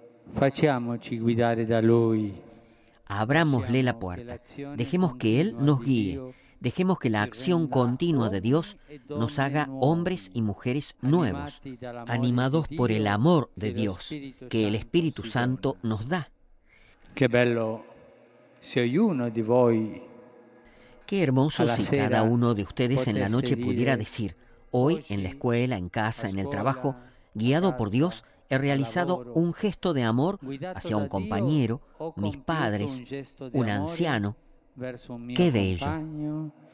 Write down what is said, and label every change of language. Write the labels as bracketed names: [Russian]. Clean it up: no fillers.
[Italian] Facciamoci guidare da Lui. [Spanish] Abrámosle la puerta, dejemos que Él nos guíe, dejemos que la acción continua de Dios nos haga hombres y mujeres nuevos, animados por el amor de Dios que el Espíritu Santo nos da. Qué bello si [Italian] ognuno di voi [Spanish] Qué hermoso si cada uno de ustedes en la noche pudiera decir: hoy, en la escuela, en casa, en el trabajo, guiado por Dios, he realizado un gesto de amor hacia un compañero, mis padres, un anciano. Qué bello.